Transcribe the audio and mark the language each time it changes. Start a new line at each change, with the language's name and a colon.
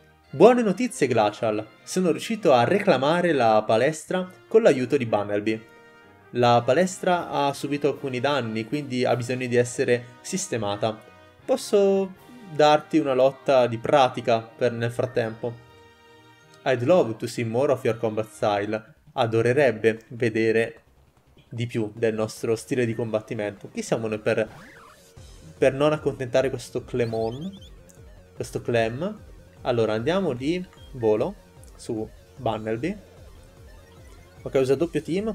Italian: Buone notizie, Glacial. Sono riuscito a reclamare la palestra con l'aiuto di Bunnelby. La palestra ha subito alcuni danni, quindi ha bisogno di essere sistemata. Posso darti una lotta di pratica per nel frattempo?
English: I'd love to see more of your combat style.
Italian: Adorerebbe vedere di più del nostro stile di combattimento. Chi siamo noi per non accontentare questo Clemon? Questo Clem? Allora, andiamo di Bunnelby. Volo su Bunnelby. Ok, usa doppio team.